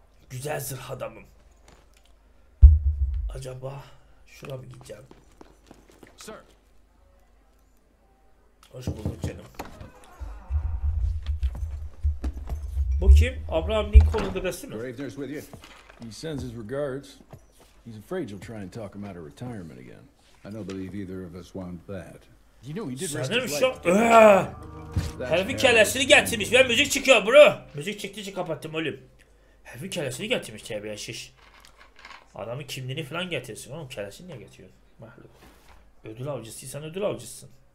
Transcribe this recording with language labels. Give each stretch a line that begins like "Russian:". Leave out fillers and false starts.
Turkish: Güzel zırh adamım. Acaba şuna mı gideceğim? Sir. Hoş bulduk canım. Bu kim? Abraham Lincoln'un dedesi mi?
English: Gravener's with you. He sends his regards. He's afraid you'll try and talk him out of retirement again. I don't believe either of us want that. You know he did rest his life.
Turkish: Herifin kellesini getirmiş. Ben müzik çıkıyor bro. Müzik çıktı için kapattım oğlum. Herifin kellesini getirmiş tabii şiş. Adamın kimliğini falan getirsin oğlum. Kellesini niye getiriyorsun? Mahluk. Ödül avcısıysan ödül avcısın.